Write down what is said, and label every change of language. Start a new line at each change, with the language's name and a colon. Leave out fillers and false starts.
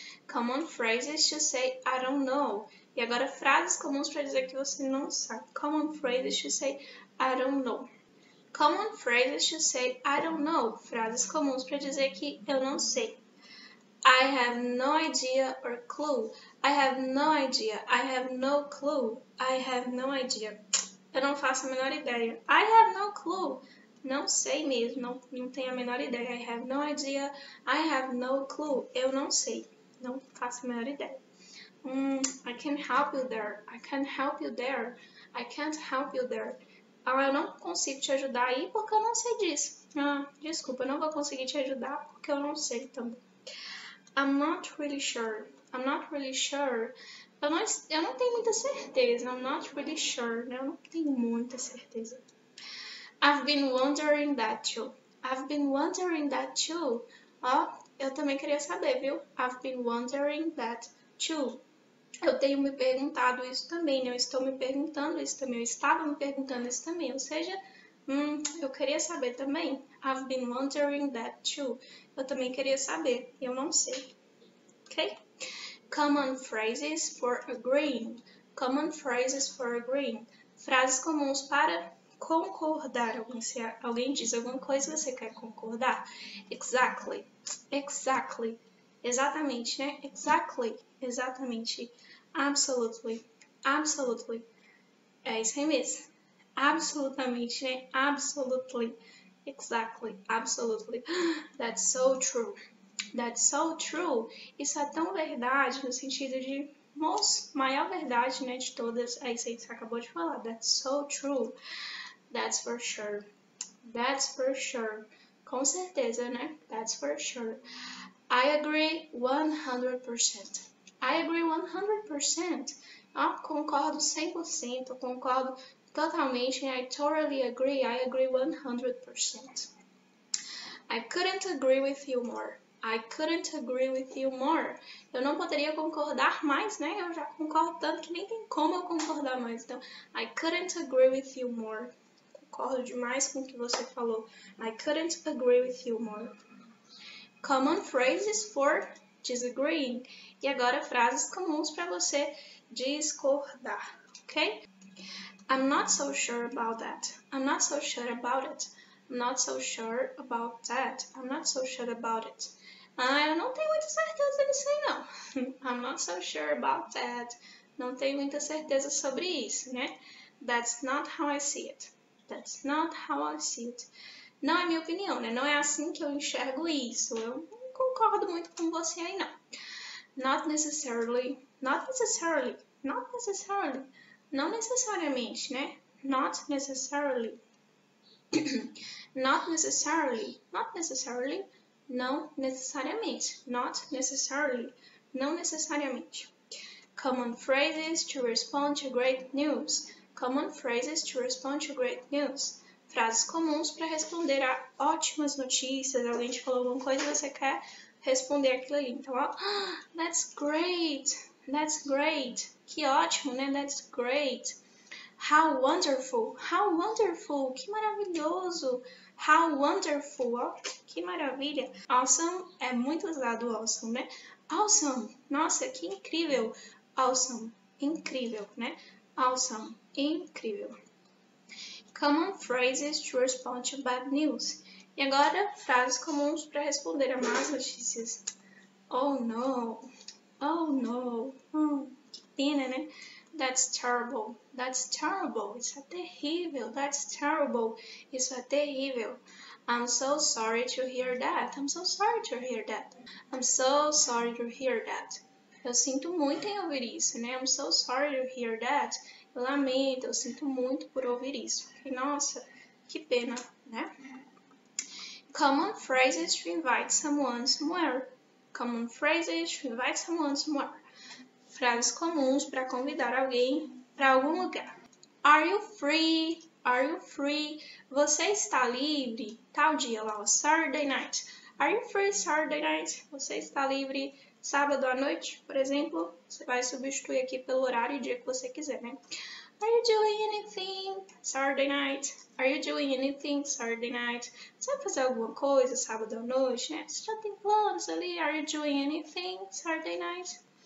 English: Common phrases to say I don't know.
Portuguese: E agora, frases comuns para dizer que você não sabe.
English: Common phrases to say I don't know. Common phrases to say I don't know.
Portuguese: Frases comuns para dizer que eu não sei.
English: I have no idea or clue. I have no idea. I have no clue. I have no idea.
Portuguese: Eu não faço a menor ideia.
English: I have no clue.
Portuguese: Não sei mesmo. Não tenho a menor ideia.
English: I have no idea. I have no clue.
Portuguese: Eu não sei. Não faço a menor ideia.
English: I can help you there. I can help you there. I can't help you there.
Portuguese: Ah, eu não consigo te ajudar aí porque eu não sei disso. Ah, desculpa. Eu não vou conseguir te ajudar porque eu não sei também.
English: I'm not really sure. I'm not really sure.
Portuguese: Eu não tenho muita certeza.
English: I'm not really sure.
Portuguese: Né? Eu não tenho muita certeza.
English: I've been wondering that too. I've been wondering that too.
Portuguese: Ó, eu também queria saber, viu?
English: I've been wondering that too.
Portuguese: Eu tenho me perguntado isso também. Né? Eu estou me perguntando isso também. Eu estava me perguntando isso também. Ou seja, eu queria saber também.
English: I've been wondering that too.
Portuguese: Eu também queria saber. Eu não sei. Ok?
English: Common phrases for agreeing. Common phrases for agreeing.
Portuguese: Frases comuns para concordar. Se alguém diz alguma coisa, você quer concordar. Exactly. Exactly. Exatamente, né? Exactly. Exatamente. Absolutely. Absolutely. É isso aí mesmo. Absolutamente, né?
English: Absolutely. Exactly. Absolutely. That's so true. That's so true.
Portuguese: Isso é tão verdade no sentido de maior verdade, né, de todas. É isso aí que você acabou de falar.
English: That's so true. That's for sure. That's for sure.
Portuguese: Com certeza, né?
English: That's for sure. I agree 100%. I agree 100%.
Portuguese: Ah, concordo 100%. Concordo totalmente.
English: I totally agree. I agree 100%. I couldn't agree with you more. I couldn't agree with you more.
Portuguese: Eu não poderia concordar mais, né? Eu já concordo tanto que nem tem como eu concordar mais.
English: Então, I couldn't agree with you more.
Portuguese: Concordo demais com o que você falou.
English: I couldn't agree with you more. Common phrases for disagreeing.
Portuguese: E agora, frases comuns para você discordar, ok?
English: I'm not so sure about that. I'm not so sure about it. I'm not so sure about that. I'm not so sure about it.
Portuguese: Ah, eu não tenho muita certeza nisso aí, não.
English: I'm not so sure about that.
Portuguese: Não tenho muita certeza sobre isso, né?
English: That's not how I see it. That's not how I see it.
Portuguese: Não é minha opinião, né? Não é assim que eu enxergo isso. Eu não concordo muito com você aí, não.
English: Not necessarily. Not necessarily. Not necessarily.
Portuguese: Não necessariamente, né?
English: Not necessarily. Not necessarily. Not necessarily.
Portuguese: Não necessariamente.
English: Not necessarily.
Portuguese: Não necessariamente.
English: Common phrases to respond to great news. Common phrases to respond to great news.
Portuguese: Frases comuns para responder a ótimas notícias. Alguém te falou alguma coisa e você quer responder aquilo ali. Então, ó,
English: that's great. That's great.
Portuguese: Que ótimo, né?
English: That's great. How wonderful. How wonderful.
Portuguese: Que maravilhoso.
English: How wonderful.
Portuguese: Ó, que maravilha. Awesome é muito usado, awesome, né? Awesome. Nossa, que incrível. Awesome. Incrível, né? Awesome. Incrível.
English: Common phrases to respond to bad news.
Portuguese: E agora, frases comuns para responder a más notícias.
English: Oh, no. Oh, no.
Portuguese: Que pena, né?
English: That's terrible. That's terrible.
Portuguese: Isso é terrível.
English: That's terrible.
Portuguese: Isso é terrível.
English: I'm so sorry to hear that. I'm so sorry to hear that. I'm so sorry to hear that.
Portuguese: Eu sinto muito em ouvir isso, né?
English: I'm so sorry to hear that.
Portuguese: Eu lamento, eu sinto muito por ouvir isso. Nossa, que pena, né?
English: Common phrases to invite someone somewhere. Common phrases to invite someone somewhere.
Portuguese: Frases comuns para convidar alguém para algum lugar.
English: Are you free? Are you free?
Portuguese: Você está livre? Tal dia lá,
English: Saturday night. Are you free Saturday night?
Portuguese: Você está livre? Sábado à noite, por exemplo, você vai substituir aqui pelo horário e dia que você quiser, né?
English: Are you doing anything Saturday night? Are you doing anything Saturday night?
Portuguese: Você vai fazer alguma coisa sábado à noite, né? Você já tem planos ali?
English: Are you doing anything Saturday night?